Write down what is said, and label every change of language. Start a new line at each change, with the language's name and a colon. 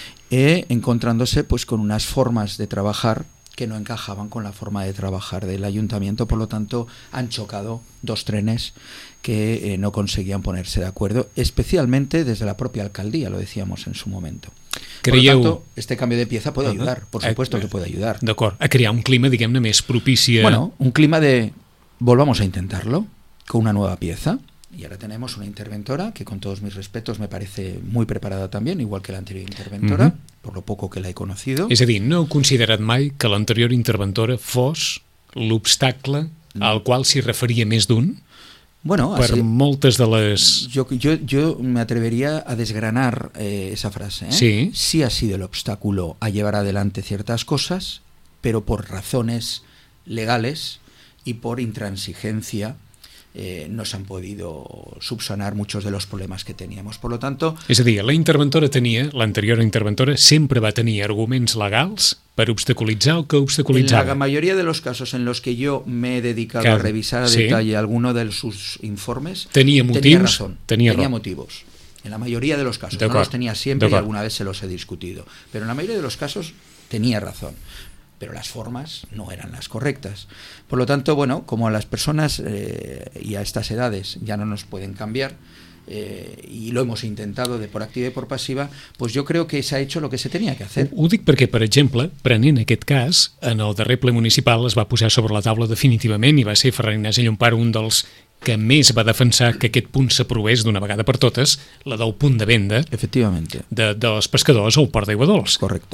Spanish: encontrándose pues con unas formas de trabajar que no encajaban con la forma de trabajar del ayuntamiento. Por lo tanto, han chocado dos trenes que no conseguían ponerse de acuerdo, especialmente desde la propia alcaldía, lo decíamos en su momento.
Catalan: Creieu...
Spanish: Por lo tanto, este cambio de pieza puede ayudar, por supuesto que puede ayudar.
Catalan: D'acord, a crear un clima, diguem-ne, més propici a...
Spanish: Bueno, un clima de volvamos a intentarlo con una nueva pieza. Y ahora tenemos una interventora que, con todos mis respetos, me parece muy preparada también, igual que la anterior interventora, por lo poco que la he conocido.
Catalan: És a dir, no heu considerat mai que l'anterior interventora fos l'obstacle al qual s'hi referia més d'un?
Spanish: Bueno,
Catalan: per
Spanish: así,
Catalan: moltes de les...
Spanish: Yo me atrevería a desgranar esa frase. Sí. Sí ha sido el obstáculo a llevar adelante ciertas cosas, pero por razones legales y por intransigencia no s'han podido subsanar muchos de los problemas que teníamos. Por lo tanto...
Catalan: És a dir, la interventora tenia, l'anterior interventora, sempre va tenir arguments legals per obstaculitzar el que obstaculitzava.
Spanish: En la mayoría de los casos en los que yo me he dedicado a revisar a detall alguno de sus informes...
Catalan: Tenia motius,
Spanish: tenia motivos. En la mayoría de los casos. No los tenía siempre y alguna vez se los he discutido. Pero en la mayoría de los casos tenía razón. Pero las formas no eran las correctas. Por lo tanto, bueno, como a las personas y a estas edades ya no nos pueden cambiar, y lo hemos intentado de por activa y por pasiva, pues yo creo que se ha hecho lo que se tenía que hacer.
Catalan: Ho dic perquè, per exemple, prenent aquest cas, en el darrer ple municipal es va posar sobre la taula definitivament i va ser Ferran Ignasi Llompart un dels que més va defensar que aquest punt s'aprovés d'una vegada per totes, la del punt de venda de els pescadors al Port d'Aigua Dols. Correcte.